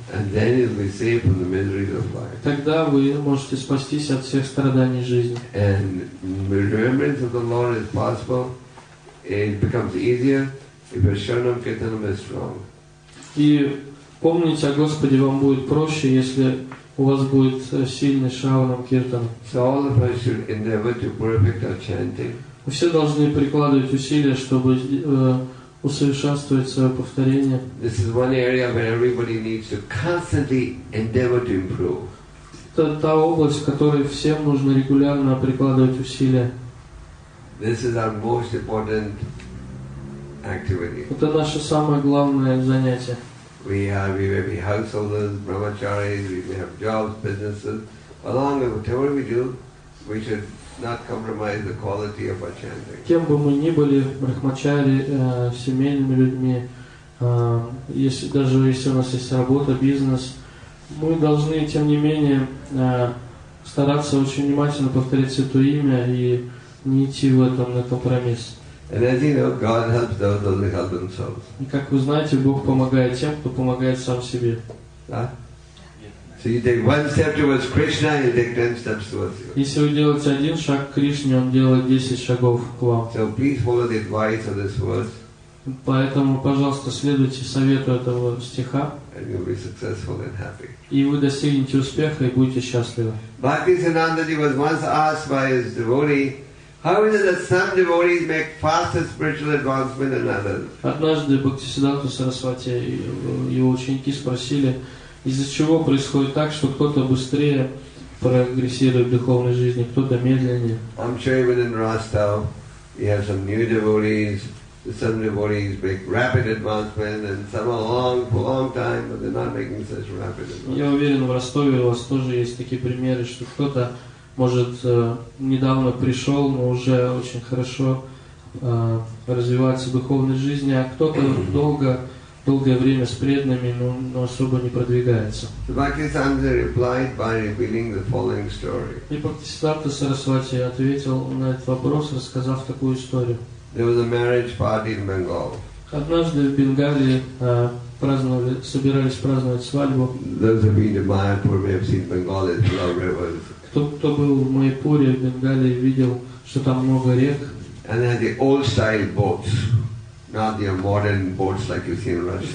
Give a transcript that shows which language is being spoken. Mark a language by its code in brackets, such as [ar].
[en] And then you'll be saved from the miseries of life. [ru] Тогда вы можете спастись от всех страданий жизни. [en] And remembrance of the Lord is possible. It becomes easier if your Sharanam Kirtanam is strong. [ru] И Помните о Господе, вам будет проще, если у вас будет сильный шравана киртан. Все должны прикладывать усилия, чтобы усовершенствовать свое повторение. [en] This is one area where everybody needs to constantly endeavor to improve. [ru] Это та область, в которой всем нужно регулярно прикладывать усилия. [en] This is our most important activity. [ru] Это наше самое главное занятие. [en] We have, we may be householders, brahmacharis, we may have jobs, businesses. Along with whatever we do, we should not compromise the quality of our chanting. [ru] Кем бы мы ни были, брахмачари, семейными людьми, если даже если у нас есть работа, бизнес, мы должны, тем не менее, стараться очень внимательно повторить Святое Имя и не идти в этом на компромисс. [en] And as you know, God helps those who help themselves. [ru] И как вы знаете, Бог помогает тем, кто помогает сам себе. [en] So you take one step towards Krishna, you take 10 steps towards you. [ru] Если вы делаете один шаг к Кришне, он делает 10 шагов к вам. [en] So please follow the advice of this verse. [ru] Поэтому, пожалуйста, следуйте совету этого стиха. [en] And you'll be successful and happy. [ru] И вы достигнете успеха и будете счастливы. [en] Bhakti Sanandaji was once asked by his devotee, how is it that some devotees make faster spiritual advancement than others? [ru] Однажды Бхактисиддханта Сарасвати его ученики спросили, из-за чего происходит так, что кто-то быстрее прогрессирует в духовной жизни, кто-то медленнее. [en] I'm sure even in Rostov, you have some new devotees. Some devotees make rapid advancement, and some a long time, but they're not making such rapid advancement. [ru] Я уверен, в Ростове у вас тоже есть такие примеры, что кто-то может недавно пришел, но уже очень хорошо развивается в духовной жизни, а кто-то долгое время с преданными, но особо не продвигается. [en] Бхактисиддханта replied by revealing the following story. [ru] И Бхактисиддханта Сарасвати ответил на этот вопрос, рассказав такую историю. [en] There was a marriage party in Bengal. [ru] Однажды в Бенгалии собирались праздновать свадьбу. [en] Those of you in Mayapur may have seen Bengal, it's full of rivers. [ru] Кто был в Майпуре, в Бенгалии, видел, что там много рек. [en] And they had the old style boats, not the modern boats like you see in Russia.